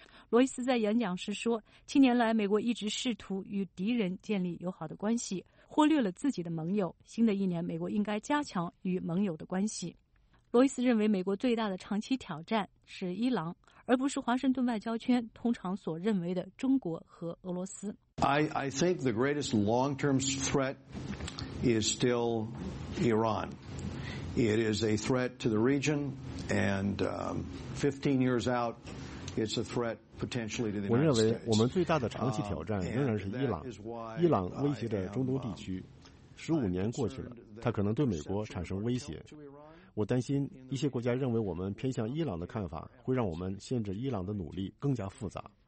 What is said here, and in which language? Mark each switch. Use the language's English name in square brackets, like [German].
[Chinese] 罗伊斯在演讲时说，七年来美国一直试图与敌人建立友好的关系，忽略了自己的盟友，新的一年美国应该加强与盟友的关系。罗伊斯认为，美国最大的长期挑战是伊朗，而不是华盛顿外交圈通常所认为的中国和俄罗斯。 [English] I think the greatest long-term threat is still Iran. It is a threat to the region, and 15 years out, it's a threat potentially to the United States. [Chinese] 我认为我们最大的长期挑战仍然是伊朗。伊朗威胁着中东地区，15年过去了，它可能对美国产生威胁。我担心一些国家认为我们偏向伊朗的看法会让我们限制伊朗的努力更加复杂。